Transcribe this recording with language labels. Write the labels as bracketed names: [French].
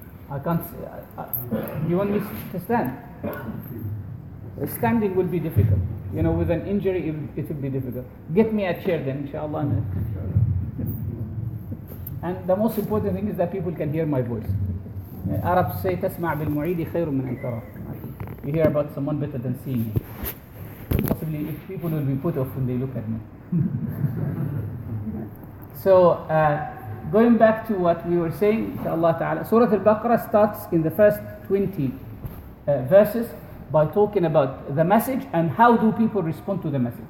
[English] I can't say, you want me to stand? Standing will be difficult. You know, with an injury, it will be difficult. Get me a chair then, inshallah. And the most important thing is that people can hear my voice. Arabs say, [Arabic] تسمع بالمعيد خير من أن ترى. [English] You hear about someone better than seeing you. Possibly if people will be put off when they look at me. Going back to what we were saying, inshaAllah ta'ala, Surah Al-Baqarah starts in the first 20 verses by talking about the message and how do people respond to the message.